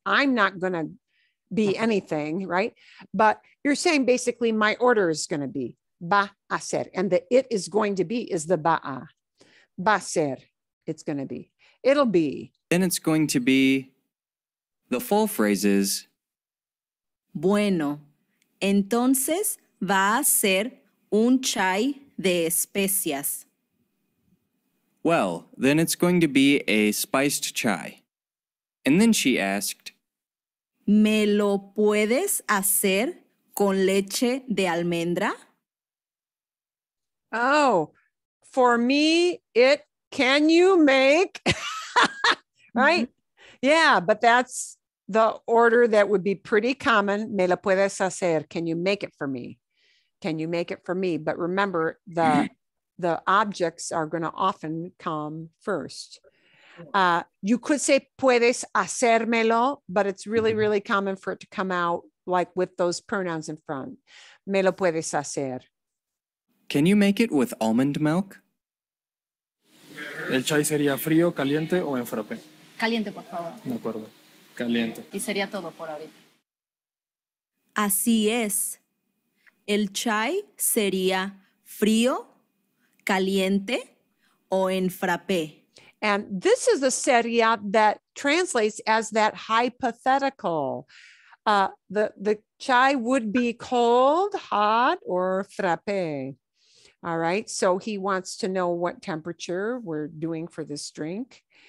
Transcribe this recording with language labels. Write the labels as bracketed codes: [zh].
[en] I'm not going to be anything, right? But you're saying basically my order is going to be [es] va a ser. [en] And the it is going to be is the va. [es] Va a ser, [en] it's going to be. It'll be. Then it's going to be, the full phrase is, [es] bueno, entonces va a ser un chai de especias. [en] Well, then it's going to be a spiced chai. And then she asked, [es] ¿me lo puedes hacer con leche de almendra? [en] Oh, for me, it can you make? Right? Mm-hmm. Yeah, but that's the order that would be pretty common. [es] ¿Me lo puedes hacer? [en] Can you make it for me? Can you make it for me? But remember, the objects are going to often come first. You could say, [es] puedes hacérmelo, [en] but it's really, really common for it to come out like with those pronouns in front. [es] Me lo puedes hacer. [en] Can you make it with almond milk? [es] El chai sería frío, caliente o en frappe? Caliente, por favor. De acuerdo. Caliente. Y sería todo por ahorita. Así es. El chai sería frío, caliente, o en frappé. [en] And this is a seria that translates as that hypothetical. The Chai would be cold, hot, or frappe. All right, so he wants to know what temperature we're doing for this drink.